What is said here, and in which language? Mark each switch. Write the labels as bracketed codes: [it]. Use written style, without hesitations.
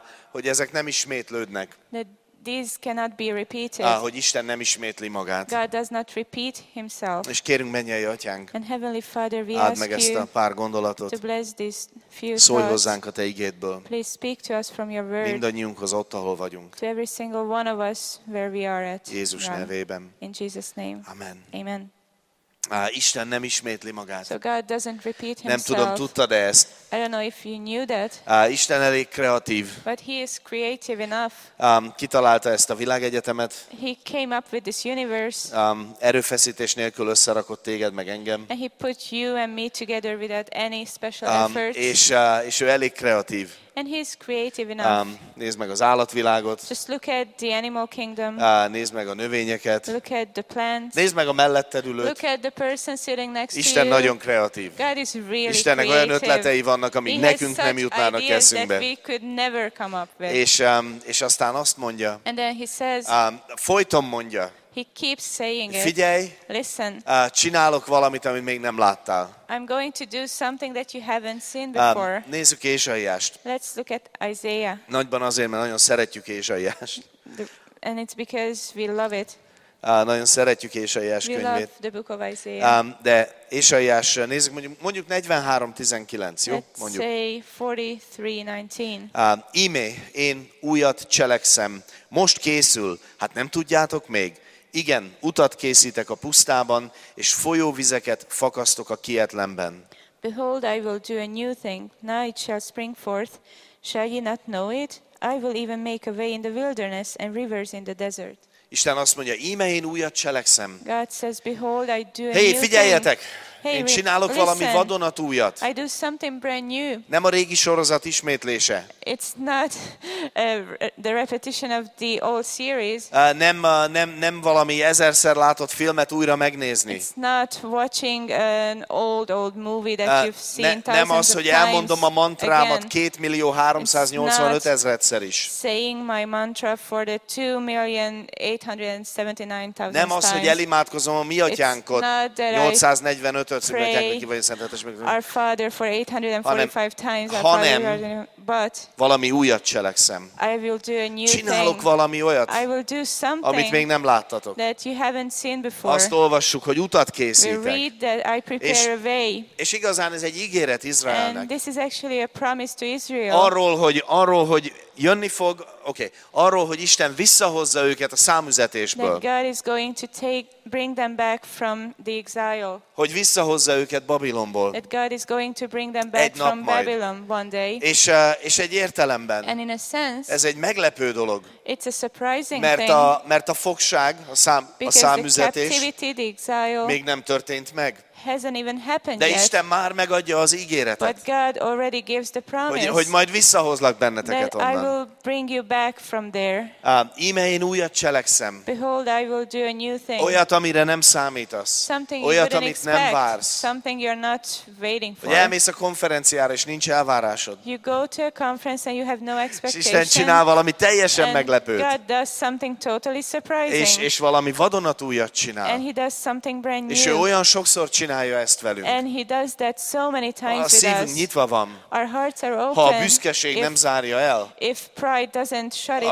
[hu] Hogy ezek nem ismétlődnek. [en] That these cannot be repeated. [hu] Hogy Isten nem ismétli magát. [en] God does not repeat himself. [hu] És kérünk, mennyei atyánk. [en] And Heavenly Father, we [hu] add meg ezt a pár gondolatot. [en] To bless these few thoughts. [hu] Szólj hozzánk a te igédből. [en] Please speak to us from your word. [hu] Mindannyiunkhoz ott, ahol vagyunk. [en] To every single one of us where we are at. [hu] Jézus nevében. [en] In Jesus name. [hu] Amen. [en] Amen. [hu] Isten nem ismétli magát. [en] So God doesn't repeat himself. [hu] Nem tudom, tudtad-e ezt. [en] I don't know if you knew that. [hu] Isten elég kreatív. [en] But he is creative enough. [hu] Kitalálta ezt a világegyetemet. [en] He came up with this universe. [hu] Erőfeszítés nélkül összerakott téged meg engem. [en] And he put you and me together without any special effort. [hu] És ő elég kreatív. [en] And he's creative enough. [hu] Nézd meg az állatvilágot. [en] Just look at the animal kingdom. [hu] Nézd meg a növényeket. [en] Look at the plants. [hu] Nézd meg a melletted ülőt. [en] Look at the person sitting next to you. [hu] Isten nagyon kreatív. [en] God is really [hu] Istennek [en] creative. [hu] Olyan ötletei vannak, amik [en] he [hu] nekünk nem jutnának eszünkbe. [en] That we could never come up with. [hu] És aztán azt mondja. [en] And then he says. [hu] Folyton mondja. [en] He keeps saying it. [hu] Figyelj, [en] listen. [hu] Csinálok valamit, amit még nem láttál. [en] I'm going to do something that you haven't seen before. [hu] Nézzük Ézsaiást. [en] Let's look at Isaiah. [hu] Nagyban azért, mert nagyon szeretjük Ézsaiást. [en] And it's because we love it. [hu] Nagyon szeretjük Ézsaiás könyvét. [en] We love the book of Isaiah. [hu] De Ézsaiás, nézzük, mondjuk 43:19, jó? Mondjuk. [en] Let's say 43:19. [hu] Íme, én újat cselekszem. Most készül. Hát nem tudjátok még? Igen, utat készítek a pusztában, és folyóvizeket fakasztok a kietlenben. [en] Behold, I will do a new thing. Now it shall spring forth. Shall ye not know it? I will even make a way in the wilderness and rivers in the desert. [hu] Isten azt mondja, íme én újat cselekszem. [en] God says, behold, I do a [hu] new thing. Hé, figyeljetek! Én csinálok valami vadonatújat. [en] I do something brand new. [hu] Nem a régi sorozat ismétlése. [en] It's not the repetition of the old series. [hu] Nem valami ezerszer látott filmet újra megnézni. [en] It's not watching an old movie that you've seen thousands of times. [hu] Nem az, hogy elmondom a mantrámat 2,385,000-szer is. [en] Saying my mantra for the 2,879,000 times. [hu] Nem az, hogy elimádkozom a mi atyánkot 845 [en] pray our Father for 845 times. [hu] Hanem, [en] but [hu] valami újat cselekszem. [en] I will do a new [hu] csinálok [en] thing. [hu] Csinálok valami olyat, [en] I will do something, [hu] amit még nem láttatok. [en] That you haven't seen before. [hu] Azt olvassuk, hogy utat készítek. [en] We read that I prepare a way. [hu] És igazán ez egy ígéret Izraelnek. [en] And this is actually a promise to Israel. [hu] Arról, hogy jönni fog, okay. Arról, hogy Isten visszahozza őket a számüzetésből. [en] That God is going to bring them back from the exile. [hu] Hogy visszahozza őket Babilonból. [en] That God is going to bring them back from Babylon one day. [hu] És egy értelemben. [en] And in a sense, [hu] ez egy meglepő dolog. [en] It's a surprising [hu] mert [en] thing. [hu] Mert a fogság, a számüzetés [en] the captivity, the exile, [hu] még nem történt meg. [en] Hasn't even happened [hu] de Isten már megadja az ígéretet. [en] But God already gives the promise. [hu] Hogy majd visszahozlak benneteket [en] that [hu] onnan. [en] I will bring you back from there. [hu] Íme én újat cselekszem. [en] Behold, I will do a new thing. [hu] Olyat, amire nem számítasz. [en] Something [hu] olyat, [en] you [hu] amit [en] expect, [hu] nem vársz. [en] Something you're not waiting for. [hu] Hogy elmész a konferenciára és nincs elvárásod. [en] You go to a conference and you have no expectation. [hu] És Isten csinál valami teljesen meglepőt. [en] God does something totally surprising. [hu] És valami vadonatújat csinál. [en] And he does something brand new. [hu] És ő olyan sokszor csinálja ezt velünk. [en] And he does that so many times [hu] with us. A szívünk nyitva van. [en] Our hearts are open. [hu] Ha a büszkeség nem zárja el. [en] If pride doesn't shut it down.